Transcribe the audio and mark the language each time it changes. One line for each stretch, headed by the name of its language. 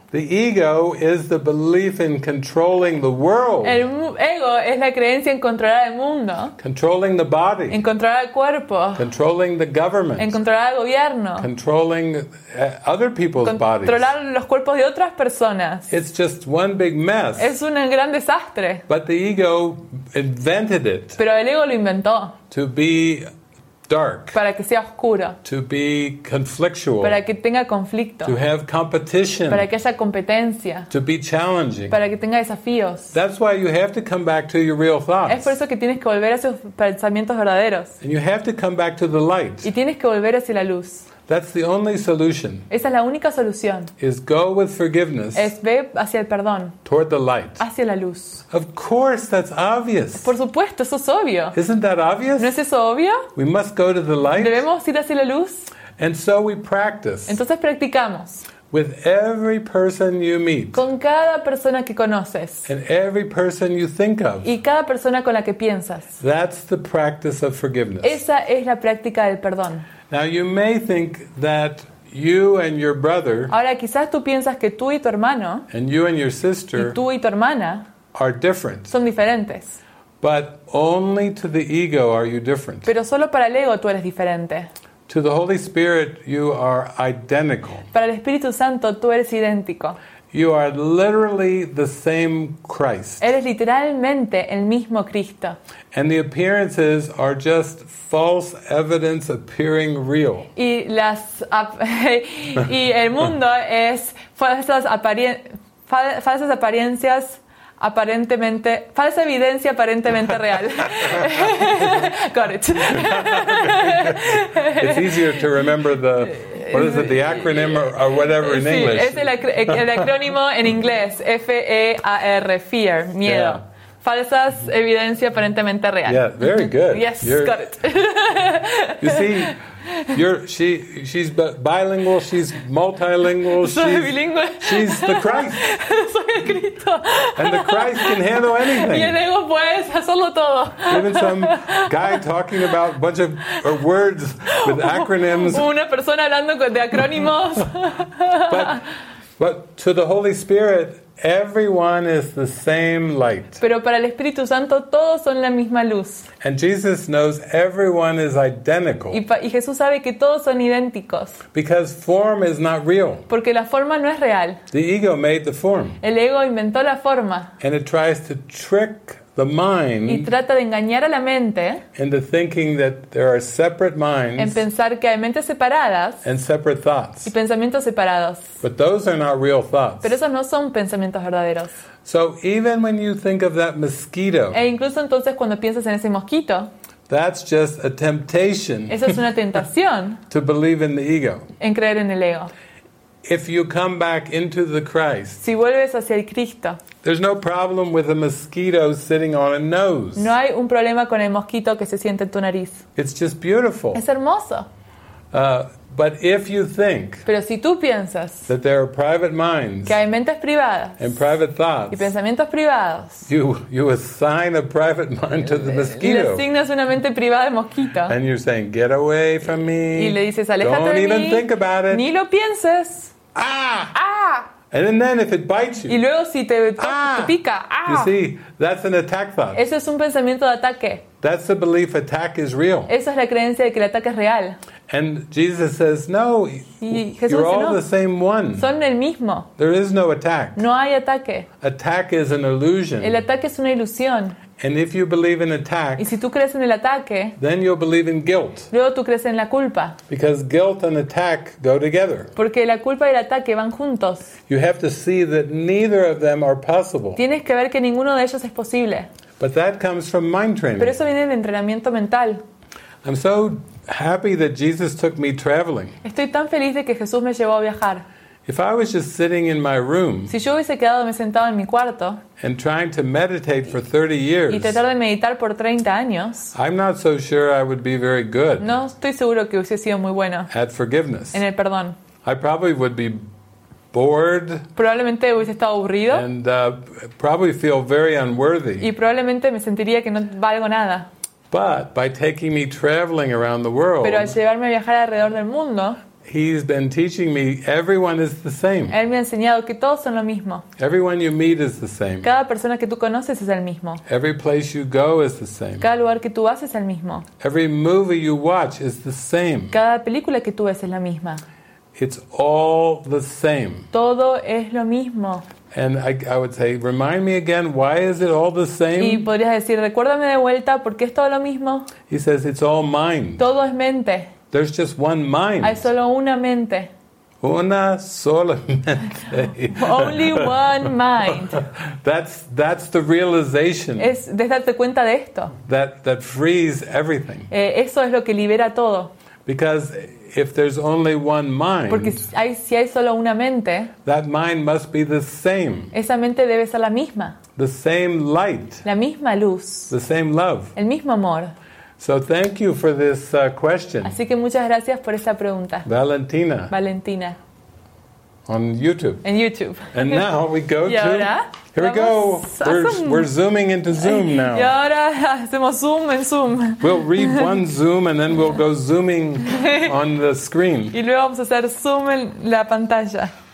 English: The ego is the belief in controlling the world.
Spanish: El ego es la creencia en controlar el mundo.
English: Controlling the body.
Spanish: En controlar el cuerpo.
English: Controlling the government.
Spanish: En controlar el gobierno.
English: Controlling other people's bodies.
Spanish: Controlar los cuerpos de otras personas.
English: It's just one big mess.
Spanish: Es un gran desastre.
English: But the ego invented it.
Spanish: Pero el ego lo inventó.
English: To be dark.
Spanish: Para que sea oscuro.
English: To be conflictual.
Spanish: Para que tenga conflicto.
English: To have competition.
Spanish: Para que haya competencia.
English: To be challenging.
Spanish: Para que tenga desafíos.
English: That's why you have to come back to your real thoughts.
Spanish: Es por eso que tienes que volver a esos pensamientos verdaderos.
English: And you have to come back to the light.
Spanish: Y tienes que volver hacia la luz.
English: That's the only solution.
Spanish: Esa es la única solución.
English: Is go with forgiveness.
Spanish: Es ve hacia el perdón.
English: Toward the light.
Spanish: Hacia la luz.
English: Of course, that's obvious.
Spanish: Por supuesto, eso es obvio.
English: Isn't that obvious?
Spanish: ¿No es eso obvio?
English: We must go to the light.
Spanish: Debemos ir hacia la luz.
English: And so we practice.
Spanish: Entonces practicamos.
English: With every person you meet.
Spanish: Con cada persona que conoces.
English: And every person you think of.
Spanish: Y cada persona con la que piensas.
English: That's the practice of forgiveness.
Spanish: Esa es la práctica del perdón.
English: Now you may think that you and your brother.
Spanish: Ahora quizás tú piensas que tú y tu hermano.
English: And you and your sister.
Spanish: Y tú y tu hermana.
English: Are different.
Spanish: Son diferentes.
English: But only to the ego are you different.
Spanish: Pero solo para el ego tú eres diferente.
English: To the Holy Spirit you are identical.
Spanish: Para el Espíritu Santo tú eres idéntico.
English: You are literally the same Christ.
Spanish: Eres literalmente el mismo Cristo.
English: And the appearances are just false evidence appearing real.
Spanish: Y las y el mundo es falsas apariencias aparentemente falsa evidencia aparentemente real.
English: Got it. It's easier to remember the. What is it, the acronym or whatever in
Spanish: sí,
English: English?
Spanish: Es el acrónimo en inglés, F-E-A-R, fear, miedo. Yeah. Falsas evidencia aparentemente real.
English: Yeah, very good. Yes, got it. You see, She's bilingual. She's multilingual.
Spanish: Soy bilingüe.
English: She's the Christ.
Spanish: Soy el Cristo.
English: And the Christ can handle anything.
Spanish: Y el ego puede hacerlo todo.
English: Even some guy talking about a bunch of words with acronyms.
Spanish: Una persona hablando de acrónimos.
English: But to the Holy Spirit, everyone is the same light.
Spanish: Pero para el Espíritu Santo todos son la misma luz.
English: And Jesus knows everyone is identical.
Spanish: Y Jesús sabe que todos son idénticos.
English: Because form is not real.
Spanish: Porque la forma no es real.
English: The ego made the form.
Spanish: El ego inventó la forma.
English: And it tries to trick the mind.
Spanish: Y trata de engañar a la mente.
English: Into thinking that there are separate minds.
Spanish: En pensar que hay mentes separadas.
English: And separate thoughts.
Spanish: Y pensamientos separados.
English: But those are not real thoughts.
Spanish: Pero esos no son pensamientos verdaderos.
English: So even when you think of that mosquito.
Spanish: E incluso entonces cuando piensas en ese mosquito.
English: That's just a temptation.
Spanish: Esa es una tentación.
English: To believe in the ego.
Spanish: En creer en el ego.
English: If you come back into the Christ.
Spanish: Si vuelves hacia el Cristo.
English: There's no problem with a mosquito sitting on a nose.
Spanish: No hay un problema con el mosquito que se siente en tu nariz.
English: It's just beautiful.
Spanish: Es hermoso.
English: But if you think.
Spanish: Pero si tú piensas.
English: That there are private minds.
Spanish: Que hay mentes privadas.
English: And private thoughts.
Spanish: Y pensamientos privados.
English: You assign a private mind to the mosquito.
Spanish: Le asignas una mente privada al mosquito.
English: And you're saying, get away from me.
Spanish: Y le dices, aléjate de mí.
English: Don't even think about it.
Spanish: Ni lo pienses.
English: Ah!
Spanish: Ah!
English: And then if it bites you.
Spanish: Y luego si te pica. Ah,
English: you see, that's an attack thought.
Spanish: Eso es un pensamiento de ataque.
English: That's the belief attack is real.
Spanish: Esa es la creencia de que el ataque es real.
English: And Jesus says, no,
Spanish: Jesús
English: you're
Spanish: dice,
English: all the same one.
Spanish: Son el mismo.
English: There is no attack.
Spanish: No hay ataque.
English: Attack is an illusion.
Spanish: El ataque es una ilusión.
English: And if you believe in attack,
Spanish: y si tú crees en el ataque,
English: then you'll believe in guilt.
Spanish: Luego tú crees en la culpa.
English: Because guilt and attack go together.
Spanish: Porque la culpa y el ataque van juntos.
English: You have to see that neither of them are possible.
Spanish: Tienes que ver que ninguno de ellos es posible.
English: But that comes from mind training.
Spanish: Pero eso viene del entrenamiento mental.
English: I'm so happy that Jesus took me traveling.
Spanish: Estoy tan feliz de que Jesús me llevó a viajar.
English: If I was just sitting in my room.
Spanish: Si yo hubiese quedado sentado en mi cuarto.
English: And trying to meditate for 30 years.
Spanish: Y tratar de meditar por 30 años.
English: I'm not so sure I would be very good.
Spanish: No estoy seguro que hubiese sido muy bueno.
English: At forgiveness.
Spanish: En el perdón.
English: I probably would be bored.
Spanish: Probablemente hubiese estado aburrido.
English: And probably feel very unworthy.
Spanish: Y probablemente me sentiría que no valgo nada.
English: But by taking me traveling around the world.
Spanish: Pero al llevarme a viajar alrededor del mundo.
English: He's been teaching me everyone is the same.
Spanish: Él me ha enseñado que todos son lo mismo.
English: Everyone you meet is the same.
Spanish: Cada persona que tú conoces es el mismo.
English: Every place you go is the same.
Spanish: Cada lugar que tú vas es el mismo.
English: Every movie you watch is the same.
Spanish: Cada película que tú ves es la misma.
English: It's all the same.
Spanish: Todo es lo mismo.
English: And I would say, remind me again, why is it all the same?
Spanish: Y podrías decir, recuérdame de vuelta, ¿por qué es todo lo mismo?
English: He says, it's all mind.
Spanish: Todo es mente.
English: There's just one mind.
Spanish: Hay solo una mente. Una sola mente.
English: Only one mind. That's the realization.
Spanish: Es de darte cuenta de esto.
English: That frees everything.
Spanish: Eso es lo que libera todo.
English: Because if there's only one mind.
Spanish: Porque si hay solo una mente.
English: That mind must be the same.
Spanish: Esa mente debe ser la misma.
English: The same light.
Spanish: La misma luz.
English: The same love.
Spanish: El mismo amor.
English: So thank you for this question.
Spanish: Así que muchas gracias por esta pregunta.
English: Valentina.
Spanish: Valentina.
English: On YouTube.
Spanish: En YouTube.
English: And now we go
Spanish: y ahora,
English: to. Here we go. We're zooming into Zoom now.
Spanish: Y ahora hacemos zoom en Zoom.
English: We'll read one Zoom and then we'll go zooming on the screen.
Spanish: Y luego vamos a hacer zoom en la pantalla.